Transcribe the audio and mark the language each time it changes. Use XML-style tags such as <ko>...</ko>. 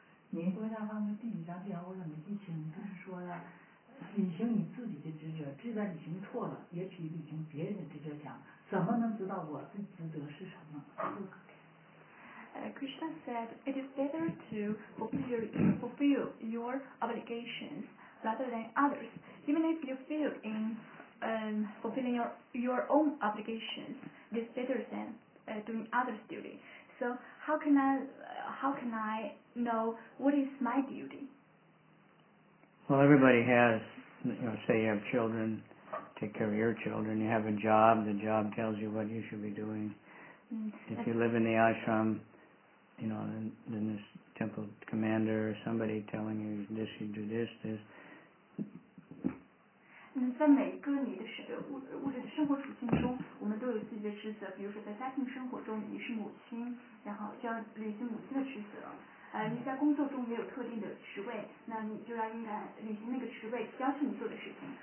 <zh>您说一下刚才第几章第二我怎么记清，就是说的履行你自己的职责，这边履行错了也许履行别人的职责强，怎么能知道我的职责是什么？</zh> <en>Krishna said it is better to fulfill your obligations rather than others. Even if you fail in fulfilling your own obligations, it is better than doing others' duty. So how can I know what is my duty? Well, everybody has, you know, say you have children, take care of your children. You have a job, the job tells you what you should be doing. If you live in the ashram, you know, then this temple commander or somebody telling you this, you do this, this.</en> <zh>在每一个你的物质的生活属性中，我们都有自己的职责。比如说在家庭生活中，你是母亲，然后就要履行母亲的职责。你在工作中也有特定的职位，那你就要应该履行那个职位要求你做的事情。</zh>